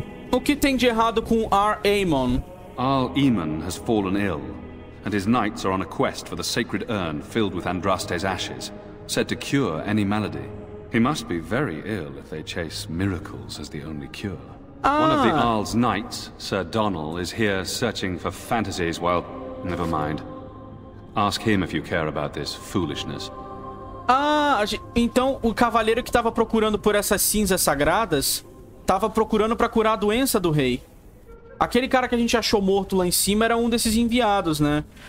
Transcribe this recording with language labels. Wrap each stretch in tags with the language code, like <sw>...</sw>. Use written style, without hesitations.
<pt>O que tem de errado com Al-Eman?</pt> <en>Al-Eman has fallen ill. And his knights are on a quest for the sacred urn filled with Andraste's ashes, said to cure any malady. He must be very ill if they chase miracles as the only cure. Ah. One of the Arl's knights, Sir Donal, is here searching for fantasies while... Never mind. Ask him if you care about this foolishness.</en> <pt>Então o cavaleiro que estava procurando por essas cinzas sagradas estava procurando para curar a doença do rei. Aquele cara que a gente achou morto lá em cima era um desses enviados, né?</pt>